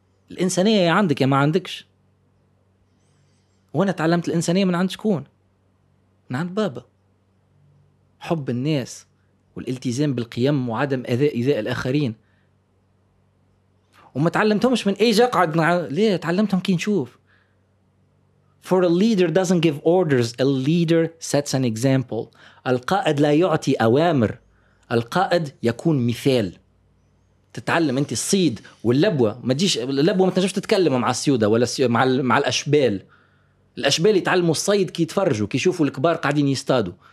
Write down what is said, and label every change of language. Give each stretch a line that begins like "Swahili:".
Arabic: الانسانيه يا عندك يا ما عندكش. وانا تعلمت الانسانيه من عند شكون؟ من عند بابا. حب الناس والالتزام بالقيم وعدم إذاء الاخرين. وما تعلمتهمش من اي جاقعد مع... ليه تعلمتهم كي نشوف.
English: For a leader doesn't give orders, a leader sets an example.
Arabic: القائد لا يعطي اوامر، القائد يكون مثال. تتعلم انت الصيد واللبوه، ما تجيش اللبوه ما تنجمش تتكلم مع السيوده ولا مع الاشبال. الاشبال يتعلموا الصيد كي يتفرجوا، كي يشوفوا الكبار قاعدين يصطادوا.